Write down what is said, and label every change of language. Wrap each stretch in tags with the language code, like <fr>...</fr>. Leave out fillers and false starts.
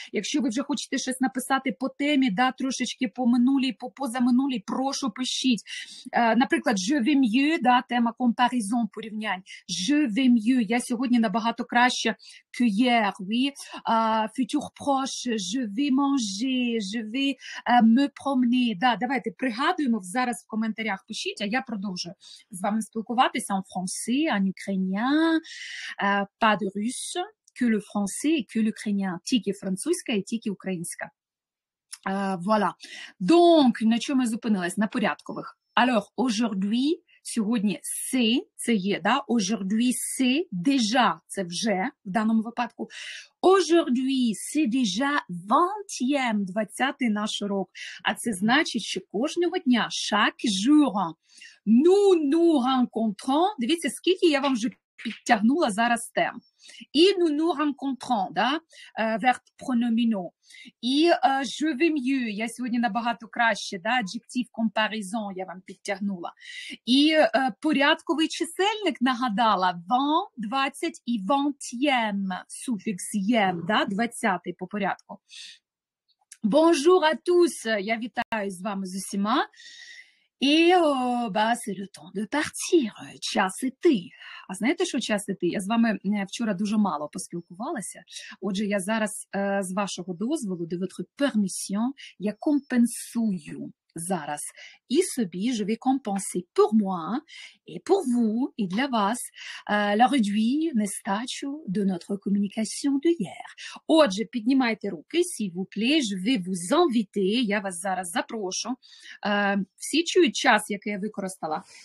<uk>Якщо ви вже хочете щось написати по темі, да, трошечки по минулій, по позаминулій, прошу, пишіть. Наприклад,</uk> <fr>je vais mieux,</fr> <uk>да, тема comparison, порівнянь.</uk> <fr>Je vais mieux,</fr> <uk>я сьогодні набагато краще</uk> <fr>que hier, oui. Futur proche, je vais manger, je vais me promener.</fr> <uk>Да, давайте пригадуємо зараз в коментарях, пишіть, а я продовжу з вами спілкуватися</uk> <fr>en français, en ukrainien, pas de russe, que le français et que l'ukrainien.</fr> <uk>Тільки французька і тільки українська.</uk> <fr>Voilà.</fr> <uk>Donc, на чому ми зупинились? На порядкових.</uk> <fr>Alors, aujourd'hui,</fr> <uk>сьогодні це є, да?</uk> <fr>Aujourd'hui, c'est déjà,</fr> <uk>це вже в даному випадку.</uk> <fr>Aujourd'hui, c'est déjà 20e,</fr> <uk>20-й наш урок. А це значить, що кожного дня,</uk> <fr>chaque jour, nous rencontrons,</fr> <uk>дивіться, скільки я вам вже підтягнула зараз тем. І</uk> <fr>nous rencontrons,</fr> <uk>да?</uk> <fr>Verbe pronominal.</fr> <uk>І</uk> <fr>je vais mieux,</fr> <uk>я сьогодні набагато краще, да?</uk> <fr>Adjective comparison</fr> <uk>я вам підтягнула. І порядковий чисельник нагадала, 20 і 20e, суфікс ем, да? 20-й по порядку.</uk> <fr>Bonjour à tous,</fr> <uk>я вітаю з вами з усіма.</uk> <fr>І, c'est le temps de partir,</fr> <uk>час іти. А знаєте, що час іти? Я з вами вчора дуже мало поспілкувалася. Отже, я зараз з вашого дозволу,</uk> <fr>de votre permission,</fr> <uk>я компенсую зараз.</uk> <fr>І собі, je vais compenser pour moi, et pour vous,</fr> <uk>і для вас,</uk> <fr>la réduire нестачу de notre communication de hier.</fr> <uk>Отже, піднімайте руки,</uk> <fr>s'il vous plaît, je vais vous inviter,</fr> <uk>я вас зараз запрошу. Всі чують час, який я використала?</uk>